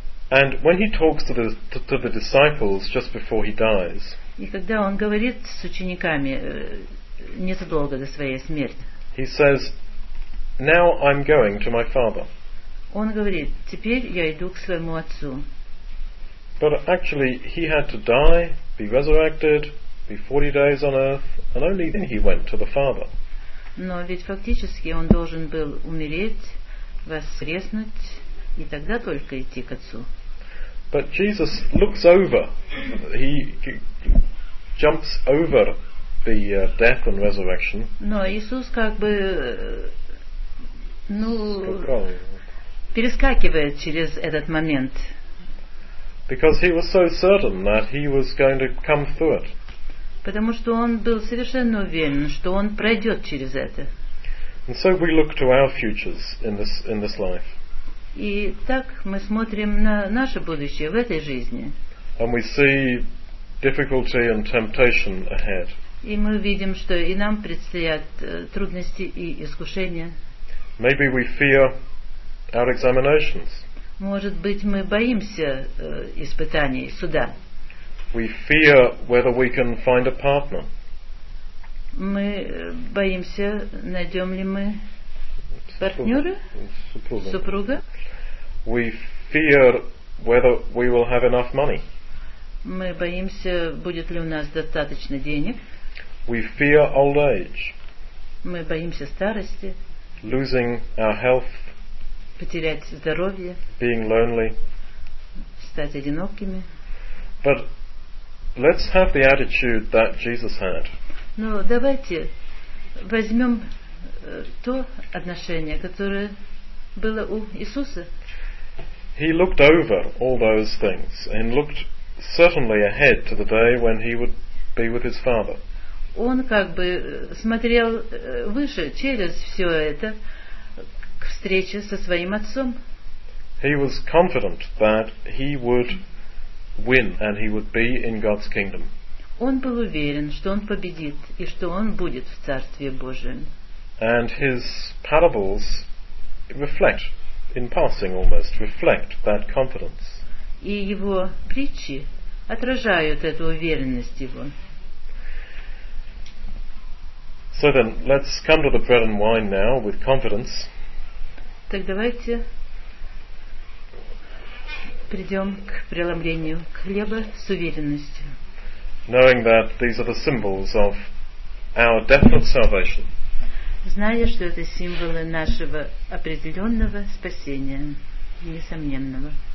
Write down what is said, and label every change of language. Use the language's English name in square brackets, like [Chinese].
[English] And when he talks to the disciples just before he dies. [Russian] И когда он говорит с учениками незадолго до своей смерти. [English] He says, "Now I'm going to my father." [Russian] Он говорит: "Теперь я иду к своему отцу." [English] But actually, he had to die, be resurrected, be 40 days on earth, and only then he went to the Father. [Russian] Но ведь фактически он должен был умереть, воскреснуть и тогда только идти к отцу. [English] But Jesus looks over. He jumps over the death and resurrection. [Russian] Но Иисус как бы ну перескакивает через этот момент. [English] Because he was so certain that he was going to come through it. [Russian] Потому что он был совершенно уверен, что он пройдет через это. [English] And so we look to our futures in this life. [Russian] И так мы смотрим на наше будущее в этой жизни. [English] And we see difficulty and temptation ahead. [Russian] И мы видим, что и нам предстоят трудности и искушения. [English] Maybe we fear our examinations. [Russian] Может быть, мы боимся испытаний, суда. [English] We fear whether we can find a partner. [Russian] Мы боимся, найдем ли мы партнера, супруга. [English] We fear whether we will have enough money. [Russian] Мы боимся, будет ли у нас достаточно денег. [English] We fear old age. [Russian] Мы боимся старости. [English] Losing our health. [Russian] Потерять здоровье. [English] Being lonely. [Russian] Стать одинокими. [English] But let's have the attitude that Jesus had. [Russian] Но давайте возьмем то отношение, которое было у Иисуса. [English] He looked over all those things and looked certainly ahead to the day when he would be with his Father. [Russian] Он как бы смотрел выше через все это. Встреча со своим отцом. [English] He was confident that he would win and he would be in God's kingdom. [Russian] Он был уверен, что он победит и что он будет в Царстве Божьем. [English] And his parables reflect, in passing almost, reflect that confidence. [Russian] И его притчи отражают эту уверенность его. [English] So then, let's come to the bread and wine now with confidence. [Russian] Так давайте придем к преломлению хлеба с уверенностью. [English] Knowing that these are the symbols of our definite salvation. [Russian] Зная, что это символы нашего определенного спасения, несомненного.